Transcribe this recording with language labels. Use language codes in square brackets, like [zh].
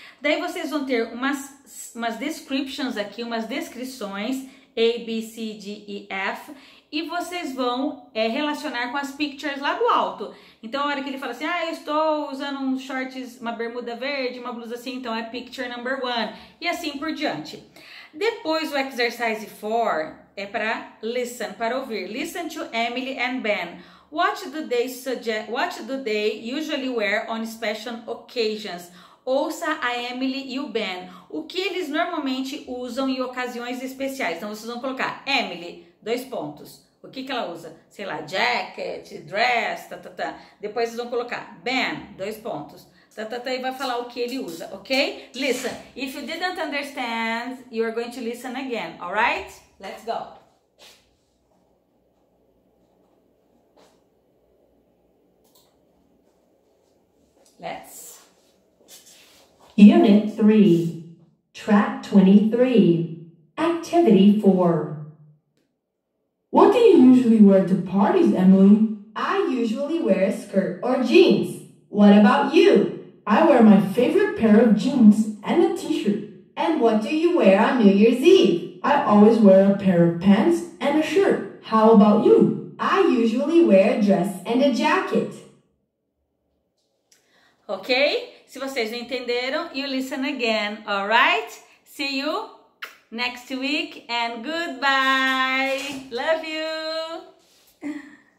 [pt] Daí vocês vão ter umas descriptions aqui, umas descrições, A, B, C, D, E, F, e vocês vão relacionar com as pictures lá do alto. Então, a hora que ele fala assim, ah, eu estou usando um shorts, uma bermuda verde, uma blusa assim, então é picture number one, e assim por diante. Depois, o exercise 4 é para listen, para ouvir. [en] Listen to Emily and Ben. What do they usually wear on special occasions? [pt] Ouça a Emily e o Ben. O que eles normalmente usam em ocasiões especiais? Então, vocês vão colocar Emily, dois pontos. O que ela usa? Sei lá, jacket, dress, tá, tá, tá. Depois vocês vão colocar, bam, dois pontos. Tá, tá, tá, e vai falar o que ele usa, ok? [en] Listen, if you didn't understand, you are going to listen again, alright? Let's go. Let's. Unit 3, Track 23, Activity 4. What do you usually wear to parties, Emily? I usually wear a skirt or jeans. What about you? I wear my favorite pair of jeans and a t-shirt. And what do you wear on New Year's Eve? I always wear a pair of pants and a shirt. How about you? I usually wear a dress and a jacket. Ok? [pt] Se vocês não entenderam, [en] you listen again, alright? See you next week and goodbye! Love you!